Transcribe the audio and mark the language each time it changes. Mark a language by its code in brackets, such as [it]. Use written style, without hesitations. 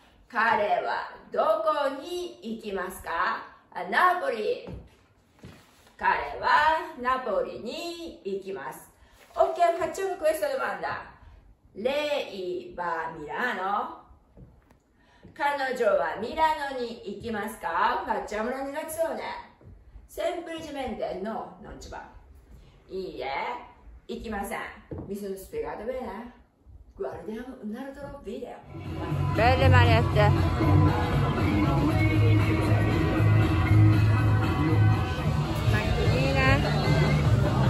[ja] 彼はどこに行きますか?ナポリ。彼はナポリに行きます。 [it] OK, facciamo questa domanda. Lei va a Milano? [ja] 彼女はミラノに行きますか? [it] Facciamo la negazione. Semplicemente, no, non ci va. [ja] いいえ、行きません。 [it] Mi sono spiegato bene? Guardiamo un altro video. Belle manette. Macchinine.